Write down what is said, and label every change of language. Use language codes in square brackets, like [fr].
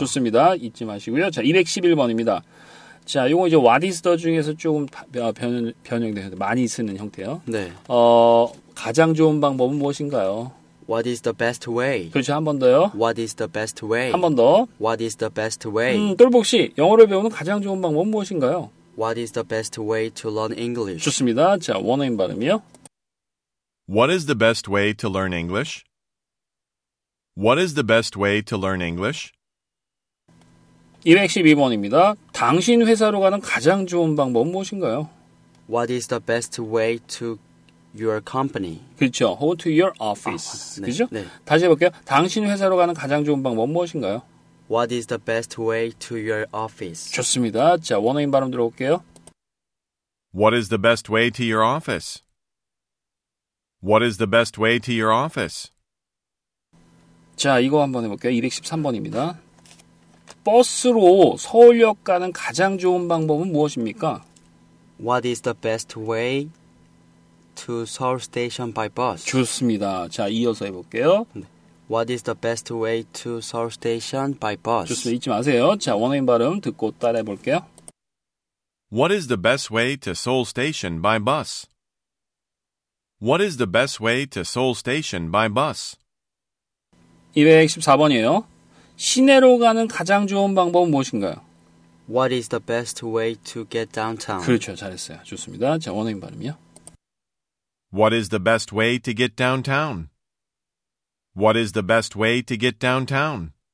[ko] 좋습니다. 잊지 마시고요. 자, 211번입니다. 자, 요거 이제 [en] What is the [ko] 중에서 조금 변형된 형태, 많이 쓰는 형태요. 네. 가장 좋은 방법은 무엇인가요? [en] What is the best way? [ko] 그렇죠, 한 번 더요. [en] What is the best way? [ko] 한 번 더. [en] What is the best way? [ko] 똘복 씨, 영어를 배우는 가장 좋은 방법은 무엇인가요? [en] What is the best way to learn English? [ko] 좋습니다. 자, 원어민 발음이요. [en] What is the best way to learn English? What is the best way to learn English? [ko] 212번입니다. 당신 회사로 가는 가장 좋은 방법은 무엇인가요? [en] What is the best way to your company? [ko] 그렇죠. [en] Or to your office. [ko] 아, 네, 그렇죠? 네. 다시 해볼게요. 당신 회사로 가는 가장 좋은 방법은 무엇인가요? [en] What is the best way to your office? [ko] 좋습니다. 자, 원어민 발음 들어볼게요. [en] What is the best way to your office? What is the best way to your office? [ko] 자, 이거 한번 해볼게요. 213번입니다. 버스로 서울역 가는 가장 좋은 방법은 무엇입니까? [en] What is the best way to Seoul Station by bus? [ko] 좋습니다. 자, 이어서 해볼게요. [en] What is the best way to Seoul Station by bus? [ko] 좋습니다. 잊지 마세요. 자, 원어민 발음 듣고 따라해볼게요. [en] What is the best way to Seoul Station by bus? What is the best way to Seoul Station by bus? [ko] 214번이에요. 시내로 가는 가장 좋은 방법은 무엇인가요? [en] What is the best way to get downtown? [ko] 그렇죠. 잘했어요. 좋습니다. 자, 원어민 발음이요. [en] What is the best way to get downtown? What is the best way to get downtown?